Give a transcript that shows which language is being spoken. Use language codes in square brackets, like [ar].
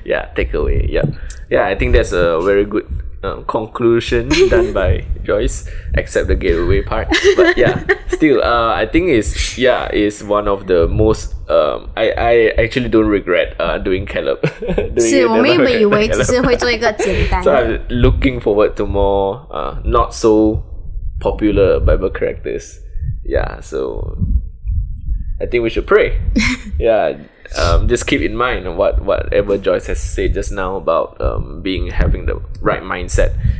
[en] yeah take away yeah yeah I think that's a very good conclusion done by Joyce except the getaway part but yeah still I think it's one of the most I actually don't regret doing Caleb [zh] 是我们以为只是会做一个简单的 [en] so I'm looking forward to more not so popular Bible characters yeah so I think we should pray yeah just keep in mind whatever Joyce has said just now about having the right mindset